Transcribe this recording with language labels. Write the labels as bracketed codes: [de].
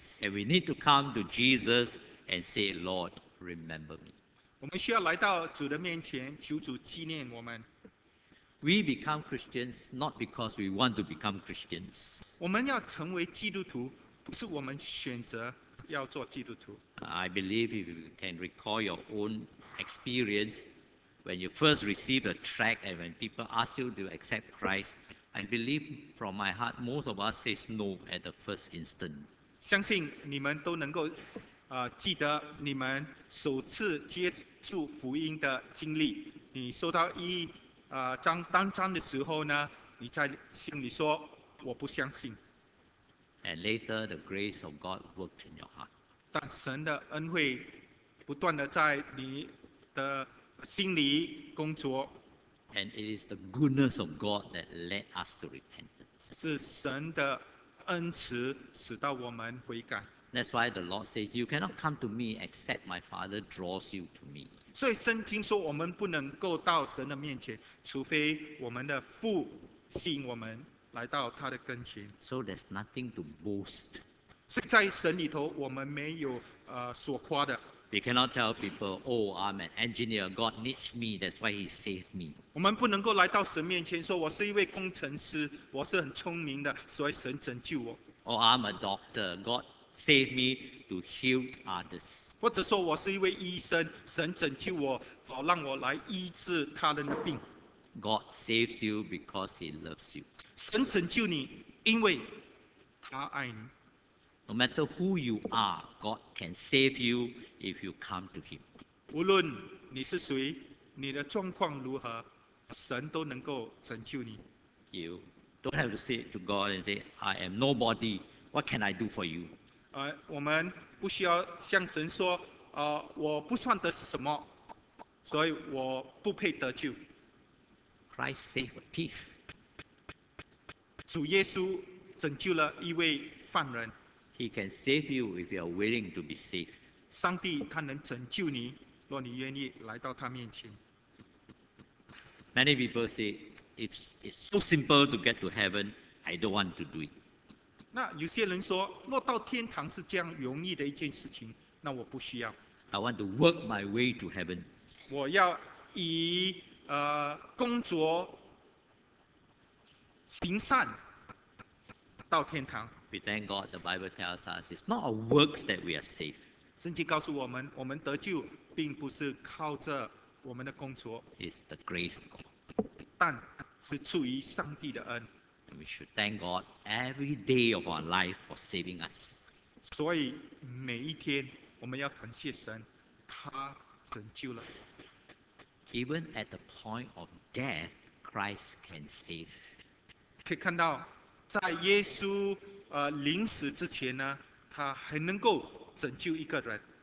[en] And we need to come to Jesus and say, Lord, remember me. [zh] 我们需要来到主的面前, 求主纪念我们。 [en] We become Christians not because we want to become Christians. [zh] 我们要成为基督徒, 不是我们选择要做基督徒。 [en] I believe if you can recall your own experience, when you first receive a tract and when people ask you to accept Christ, I believe from my heart, most of us say no at the first instant. [zh] 相信你们都能够，记得你们首次接触福音的经历。你收到一张单张的时候呢，你在心里说：“我不相信。” [en] And later, the grace of God worked in your heart. [zh] 但神的恩惠不断的在你的心里工作。 [en] And it is the goodness of God that led us to repentance. [zh] 是神的恩慈使到我们悔改。 [en] That's why the Lord says, "You cannot come to me except my Father draws you to me." [zh] 所以圣经说我们不能够到神的面前，除非我们的父吸引我们来到他的跟前。 [en] So there's nothing to boast. [zh] 所以在神里头，我们没有所夸的。 [en] We cannot tell people, "Oh, I'm an engineer. God needs me. That's why He saved me." [zh] 我们不能够来到神面前说我是一位工程师，我是很聪明的，所以神拯救我。 [en] Oh, I'm a doctor. God saved me to heal others. [zh] 或者说我是一位医生，神拯救我，好让我来医治他人的病。 [en] God saves you because He loves you. [zh] 神拯救你，因为他爱你。 [en] No matter who you are, God can save you if you come to Him. [zh] 无论你是谁，你的状况如何，神都能够拯救你。 [en] You don't have to say to God and say, "I am nobody. What can I do for you?" [zh] 我们不需要向神说，我不算得什么，所以我不配得救。 [en] Christ saved a thief. [zh] 主耶稣拯救了一位犯人。 [en] He can save you if you are willing to be saved. [zh] 上帝他能拯救你，若你愿意来到他面前。 [en] Many people say, "It's so simple to get to heaven. I don't want to do it." [zh] 那有些人说，若到天堂是这样容易的一件事情，那我不需要。 [en] I want to work my way to heaven. [zh] 我要以工作行善到天堂。 [en] We thank God. The Bible tells us it's not our works that we are saved. [zh] 圣经告诉我们，我们得救并不是靠着我们的工作。 [en] It's the grace of God. [zh] 但是出于上帝的恩。 [en] And we should thank God every day of our life for saving us. [zh] 所以每一天我们要感谢神，他拯救了。 [en] Even at the point of death, Christ can save. [zh] 可以看到，在耶稣临死之前呢，他还能够拯救一个人。